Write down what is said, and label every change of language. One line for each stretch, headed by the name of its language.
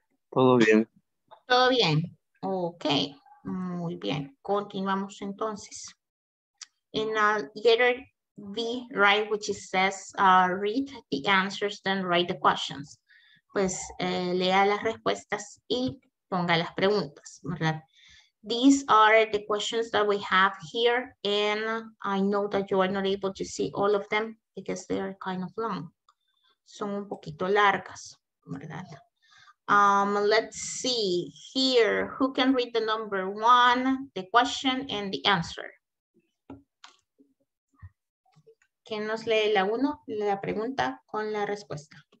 Spanish: Todo bien. Todo bien. Ok. Muy bien. Continuamos entonces.
English: In a letter B, right, which it says, read the answers, then write the questions.
Spanish: Pues lea las respuestas y ponga las preguntas, ¿verdad?
English: These are the questions that we have here, and I know that you are not able to see all of them because they are kind of long.
Spanish: Son un poquito largas, ¿verdad?
English: Let's see here, who can read the number 1, the question, and the answer?
Spanish: ¿Quién nos lee la 1, la pregunta con la respuesta?